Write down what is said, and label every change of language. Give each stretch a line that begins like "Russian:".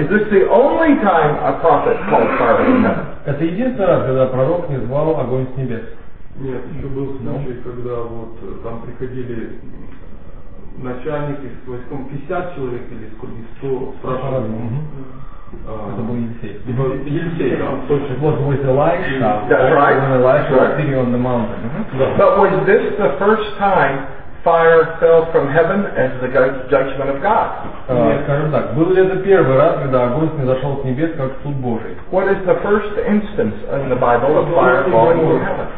English: Is this the only time a prophet called fire from heaven?
Russian: Это единственный раз, когда пророк не звал огонь с небес. Нет, еще был случай, когда вот там приходили начальники с войском, 50 человек или сколько, 100 спрашивали. Это был Елисей. Елисей, да.
English: Вот with Elisha, when Elisha was sitting on the mountain. But was this the first time fire fell from heaven as the judgment of God?
Russian: Скажем так, был ли это первый раз, когда огонь не зашел с небес, как суд Божий?
English: What is the first instance in the Bible of fire falling from heaven?